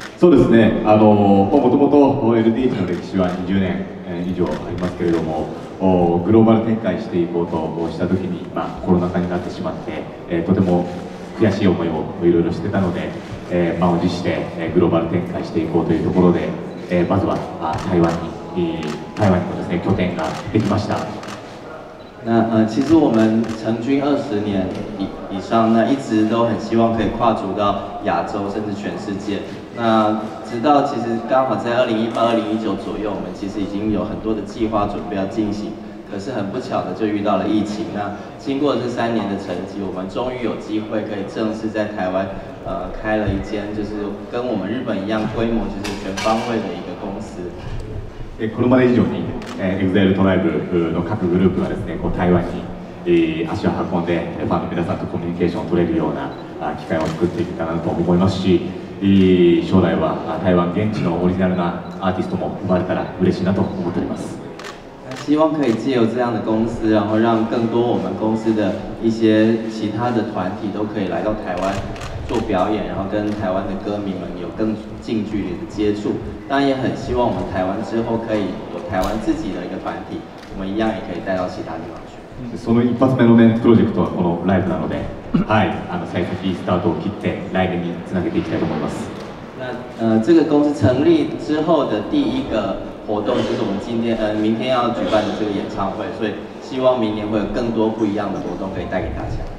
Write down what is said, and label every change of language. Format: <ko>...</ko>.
<ja>そうですね、もともと LDH の歴史は20年以上ありますけれども、グローバル展開していこうとしたときに、まあ、コロナ禍になってしまって、とても悔しい思いをいろいろしてたので、満を持してグローバル展開していこうというところで、まずは台湾にもですね、拠点ができました。</ja> <zh>那其实我们成军20年以上，那一直都很希望可以跨足到亚洲甚至全世界。那直到其实刚好在2018-2019左右，我们其实已经有很多的计划准备要进行，可是很不巧的就遇到了疫情。那经过这三年的沉寂，我们终于有机会可以正式在台湾开了一间，就是跟我们日本一样规模，就是全方位的一个公司。</zh> <ja>これまで以上に EXILE TRIBE の各グループがですね、こう台湾に足を運んでファンの皆さんとコミュニケーションを取れるような機会を作っていけたらなと思いますし、将来は台湾現地のオリジナルなアーティストも生まれたら嬉しいなと思っております。</ja> <zh>希望可以借由这样的公司，然后让更多我们公司的一些其他的团体都可以来到台湾做表演，然后跟台湾的歌迷们有更近距离的接触。当然也很希望我们台湾之后可以有台湾自己的一个团体，我们一样也可以带到其他地方去。</zh> <ja>その一発目のプロジェクトはこのライブなので、はい、最先スタートを切ってライブにつなげていきたいと思います。</ja> <zh>那这个公司成立之后的第一个活动就是我们今天明天要举办的这个演唱会，所以希望明年会有更多不一样的活动可以带给大家。</zh>